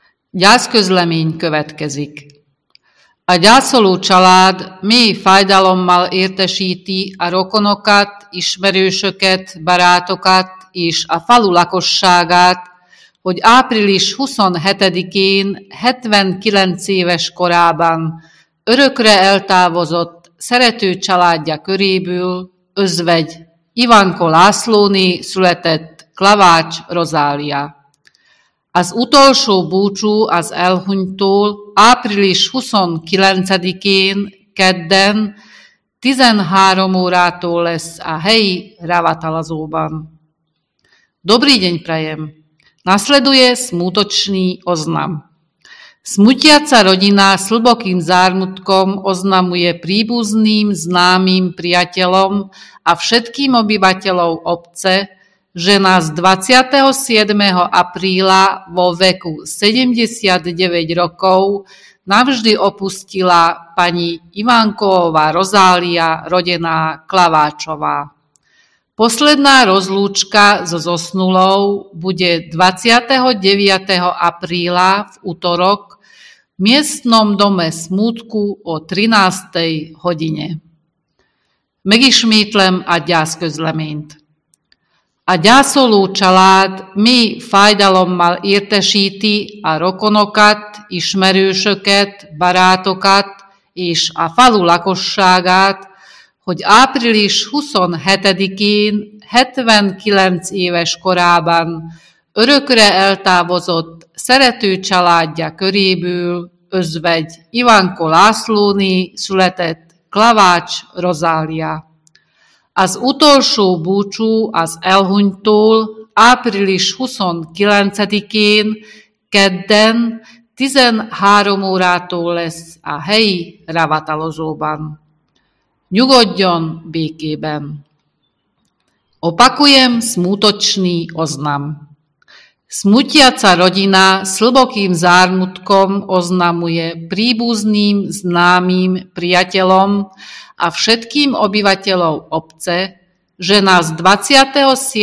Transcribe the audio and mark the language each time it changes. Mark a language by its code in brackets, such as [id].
[hu] Gyászközlemény következik. A gyászoló család mély fájdalommal értesíti a rokonokat, ismerősöket, barátokat és a falu lakosságát, hogy április 27-én 79 éves korában örökre eltávozott szerető családja köréből özvegy Ivanko Lászlóné született Klavács Rozália. Az utolsó búcsú az elhunytól április 29-én, kedden, 13 órától lesz a helyi ravatalazóban. [sk] Dobrý deň prajem. Nasleduje smutočný oznam. Smutiaca rodina s hlbokým zármutkom oznamuje príbuzným, známym priateľom a všetkým obyvateľom obce, že nás 27. apríla vo veku 79 rokov navždy opustila pani Ivankovová Rozália, rodená Klaváčová. Posledná rozlúčka so zosnulou bude 29. apríla v utorok v miestnom dome smútku o 13. hodine. [hu] Megismétlem a gyászközleményt. A gyászoló család mély fájdalommal értesíti a rokonokat, ismerősöket, barátokat és a falu lakosságát, hogy április 27-én 79 éves korában örökre eltávozott szerető családja köréből özvegy Ivanko Lászlóné született Klavács Rozália. Az utolsó búcsú az elhunytól április 29-én, kedden, 13 órától lesz a helyi ravatalozóban. Nyugodjon békében! [sk] Opakujem smutočný oznam. Smutiaca rodina s hlbokým zármutkom oznamuje príbuzným, známym priateľom a všetkým obyvateľom obce, že nás 27.